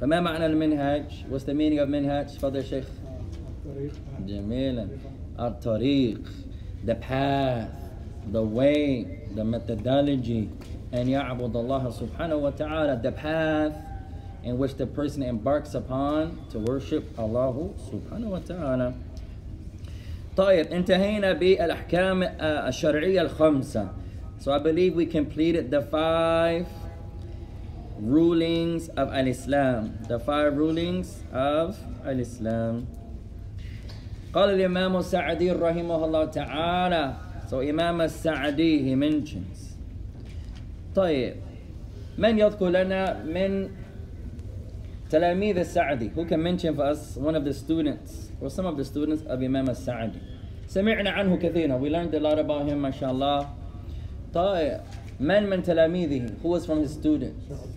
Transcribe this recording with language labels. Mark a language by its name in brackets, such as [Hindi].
[Arabic] فما معنى المنهج؟ [English] What's the meaning of [Arabic] منهج؟ فضل شيخ. جميلا. الطريق. [English] The path. The way. The methodology. [Arabic] أن يعبد الله سبحانه وتعالى. [English] The path in which the person embarks upon to worship [Arabic] الله سبحانه وتعالى. طيب انتهينا بالأحكام الشرعية الخمسة. [English] So I believe we completed the five rulings of Al-Islam. The five rulings of Al-Islam. [Arabic] قال الإمام السعدي رحمه الله تعالى. [English] So Imam السعدي, he mentions. [Arabic] طيب من يذكر لنا من تلاميذ السعدي. [English] Who can mention for us one of the students or some of the students of Imam السعدي. [Arabic] سمعنا عنه كثيرا. [English] We learned a lot about him, mashallah. [Arabic] طيب من تلاميذه. [English] Who was from his students?